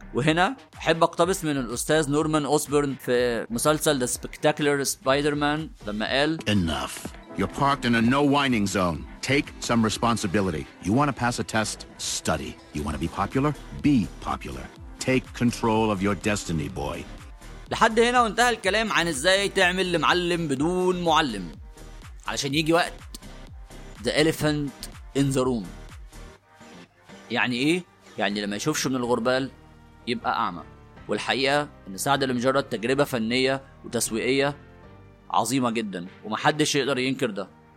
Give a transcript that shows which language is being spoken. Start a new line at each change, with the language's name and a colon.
Arabic: وهنا احب اقتبس من الاستاذ نورمان اوسبرن في مسلسل The Spectacular Spider-Man لما قال
English: Enough. You're parked in a no whining zone. Take some responsibility. You want to pass a test? Study. You want to be popular? Be popular. Take control of your destiny, boy.
Arabic: لحد هنا وانتهى الكلام عن ازاي تعمل لمعلم بدون معلم، علشان يجي وقت
English: The Elephant in the Room.
Arabic: يعني ايه؟ يعني لما يشوفش من الغربال يبقى اعمى. والحقيقة ان سعد المجرد تجربة فنية وتسويقية عظيمة جدا، ومحدش يقدر ينكر ده.